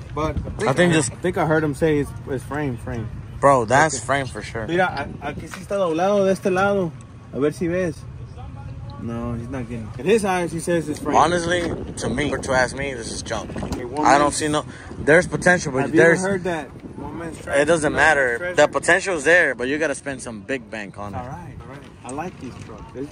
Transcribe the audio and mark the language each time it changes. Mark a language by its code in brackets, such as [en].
[en] But I think I heard him say it's frame. Bro, that's okay. Frame for sure. [es] Mira, aquí sí está doblado de este lado. A ver si ves. [en] No, he's not getting it. In his eyes, he says it's frame. Honestly, to me, or to ask me, this is junk. Okay, I don't see no... There's potential, but have there's... Have you ever heard that? It doesn't matter. The potential is there, but you gotta spend some big bank on it. All right. I like these trucks.